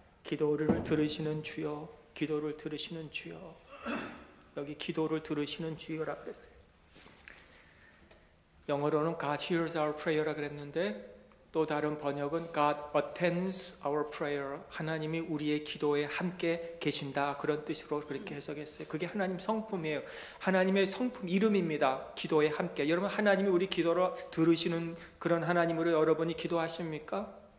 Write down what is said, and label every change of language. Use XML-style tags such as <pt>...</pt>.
<ko>기도를 들으시는 주여, 기도를 들으시는 주여. 여기 기도를 들으시는 주여라 그랬어요. 영어로는</ko> <en>God hears our prayer라</en> <ko>그랬는데 또 다른 번역은</ko> <en>God attends our prayer.</en> <ko>하나님이 우리의 기도에 함께 계신다. 그런 뜻으로 그렇게 해석했어요. 그게 하나님 성품이에요. 하나님의 성품 이름입니다. 기도에 함께. 여러분 하나님이 우리 기도를 들으시는 그런 하나님으로 여러분이 기도하십니까?</ko>